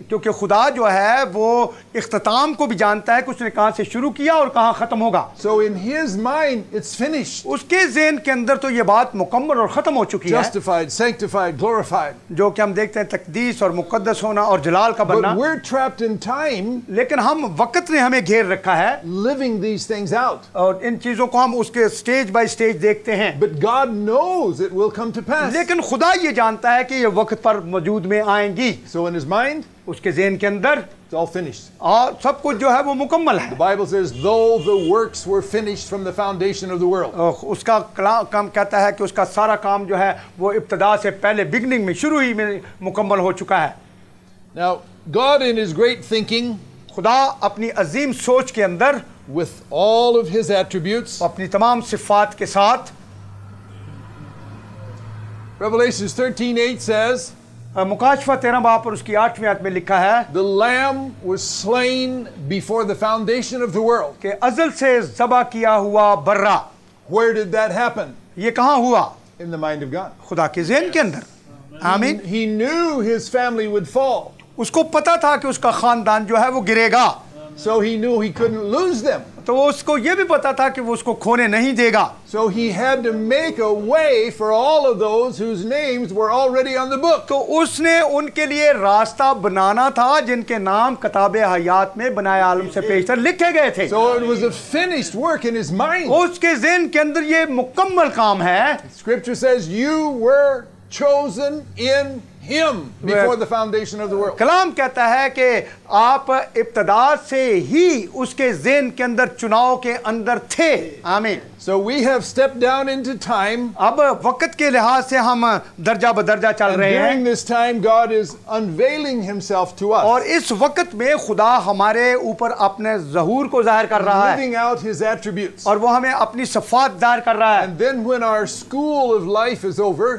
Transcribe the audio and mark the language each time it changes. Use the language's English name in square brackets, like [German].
[Hindi] क्योंकि खुदा जो है वो इख्तिताम को भी जानता है कि उसने कहां से शुरू किया और कहां खत्म होगा. [English] So in his mind it's finished. [Hindi] उसके ज़हन के अंदर तो ये बात मुकम्मल और खत्म हो चुकी है. [English] Justified, sanctified, glorified. [Hindi] जो कि हम देखते हैं तकदीस और मुकद्दस होना और जलाल का बनना. [English] But we're trapped in time. [Hindi] लेकिन हम वक्त ने हमें घेर रखा है. [English] Living these things out. [Hindi] और इन चीजों को हम उसके [English] stage by stage [Hindi] देखते हैं. [English] But God knows it will come to pass. [Hindi] लेकिन खुदा ये जानता है कि ये वक्त पर मौजूद में आएंगी. [English] So in his mind, [Hindi] उसके ज़हन के अंदर, [English] it's all finished. [Hindi] और सब कुछ जो है वो मुकम्मल है. [English] The Bible says, though the works were finished from the foundation of the world. [Hindi] उसका काम कहता है कि उसका सारा काम जो है वो इब्तदा से पहले बिगनिंग में शुरू ही में मुकम्मल हो चुका है. [English] Now, God in his great thinking, [Hindi] खुदा अपनी अजीम सोच के अंदर, [English] with all of his attributes, [Hindi] अपनी तमाम सिफात के साथ, [English] Revelations 13:8 says, [Hindi] मुकाशफा 13 बाब पर उसकी 8वीं आयत में लिखा है, [English] The Lamb was slain before the foundation of the world. [Hindi] के अजल से ज़बह किया हुआ बर्रा. [English] Where did that happen? [Hindi] ये कहाँ हुआ? [English] In the mind of God. [Hindi] खुदा के ज़हन के अंदर. आमीन. [English] He knew his family would fall. [Hindi] उसको पता था कि उसका खानदान जो है वो गिरेगा. [English] So he knew he couldn't lose them. [Hindi] तो वो उसको ये भी पता था कि वो उसको खोने नहीं देगा. [English] So he had to make a way for all of those whose names were already on the book. [Hindi] तो उसने उनके लिए रास्ता बनाना था जिनके नाम किताबे हयात में बनाए आलम से पेशतर लिखे गए थे. [English] So it was a finished work in his mind. [Hindi] उसके ज़हन के अंदर ये मुकम्मल काम है. [English] Scripture says you were chosen in Him before the foundation of the world. [Hindi] कलाम कहता है कि आप इब्तदा से ही उसके ज़हन के अंदर चुनाव के अंदर थे. आमीन. [English] So we have stepped down into time. [Hindi] अब वक्त के लिहाज से हम दर्जा बदर्जा चल रहे हैं. [English] During this time, God is unveiling Himself to us. [Hindi] और इस वक्त में खुदा हमारे ऊपर अपने ज़हूर को ज़ाहिर कर रहा है. [English] Living out His attributes. [Hindi] और वो हमें अपनी सफ़ात ज़ाहिर कर रहा है. [English] And then when our school of life is over.